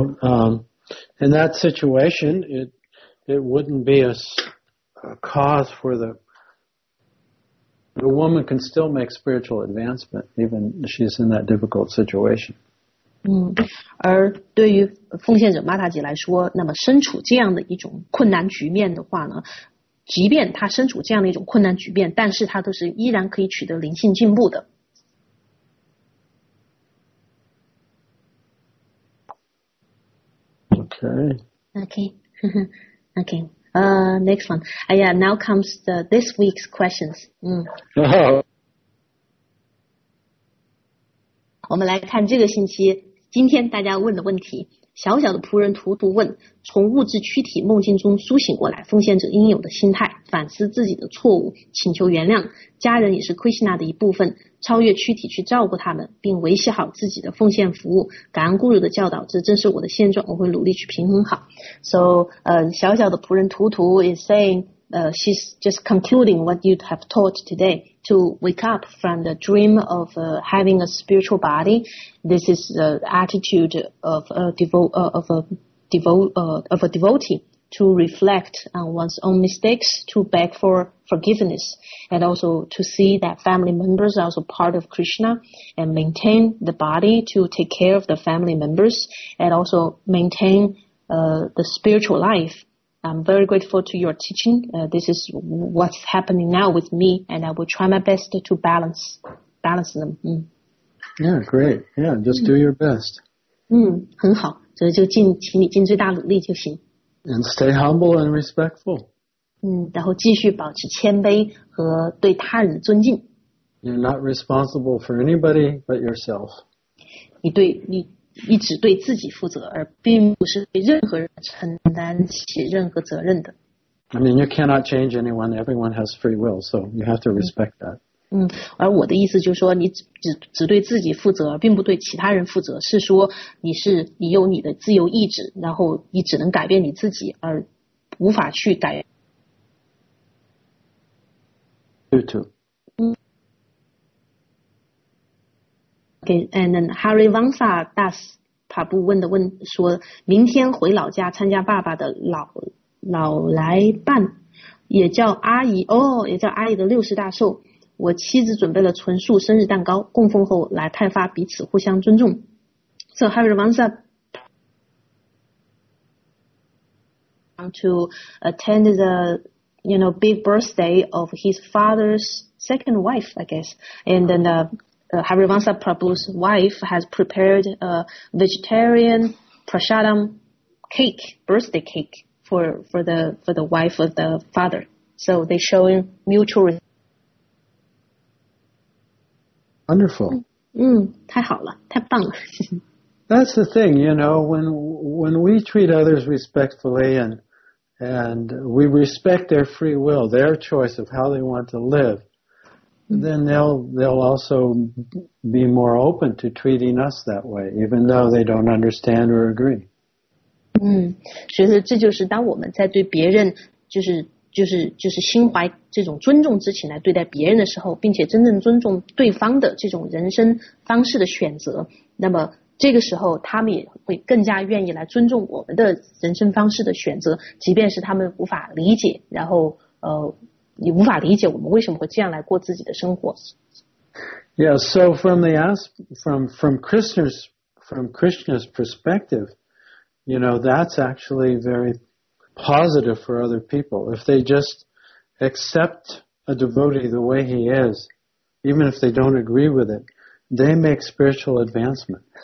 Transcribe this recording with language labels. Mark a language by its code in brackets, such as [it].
[en] And that situation, it wouldn't be a cause for the woman can still make spiritual advancement, even if she's in that difficult situation. [zh] 而对于奉献者玛塔吉来说，那么身处这样的一种困难局面的话呢，即便他身处这样的一种困难局面，但是他都是依然可以取得灵性进步的。 [en] Okay. Next one. Yeah, now comes the this week's questions. [zh] 我们来看这个星期今天大家问的问题。小小的仆人图图问：从物质躯体梦境中苏醒过来，奉献者应有的心态，反思自己的错误，请求原谅，家人也是 Krishna 的一部分，超越躯体去照顾他们，并维系好自己的奉献服务，感恩 Guru 的教导，这正是我的现状，我会努力去平衡好。 [en] So, 小小的仆人图图 is saying, she's just concluding what you have taught today. To wake up from the dream of having a spiritual body, this is the attitude of a devotee. To reflect on one's own mistakes, to beg for forgiveness, and also to see that family members are also part of Krishna, and maintain the body to take care of the family members, and also maintain the spiritual life. I'm very grateful to your teaching. This is what's happening now with me, and I will try my best to balance them. Yeah, great. Yeah, just do your best. [zh] 很好，所以就尽请你尽最大努力就行。 [en] And stay humble and respectful. [zh] 然后继续保持谦卑和对他人尊敬。 [en] You're not responsible for anybody but yourself. [zh] 你只对自己负责，而并不是对任何人承担起任何责任的。 [en] I mean, you cannot change anyone. Everyone has free will, so you have to respect that. [zh] 而我的意思就是说，你只对自己负责，而并不对其他人负责，是说你有你的自由意志，然后你只能改变你自己，而无法去改。 [en] You too. Okay, and then [zh] Hari Vansa Das Prabhu 问说，明天回老家参加爸爸的老来伴，也叫阿姨哦，也叫阿姨的六十大寿。我妻子准备了纯素生日蛋糕，供奉后来派发，彼此互相尊重。 [en] So Hari Vansa want to attend the big birthday of his father's second wife, I guess, and then Harivansa Prabhu's wife has prepared a vegetarian prasadam cake, birthday cake, for the wife of the father. So they're showing mutual respect. Wonderful. [zh] 太好了，太棒了。 [en] That's the thing, when we treat others respectfully and we respect their free will, their choice of how they want to live, then they'll also be more open to treating us that way, even though they don't understand or agree. [zh] 其实这就是当我们在对别人就是心怀这种尊重之情来对待别人的时候，并且真正尊重对方的这种人生方式的选择，那么这个时候他们也会更加愿意来尊重我们的人生方式的选择，即便是他们无法理解，然后你无法理解我们为什么会这样来过自己的生活。 [en] Yeah, so from Krishna's perspective, that's actually very positive for other people. If they just accept a devotee the way he is, even if they don't agree with it, they make spiritual advancement.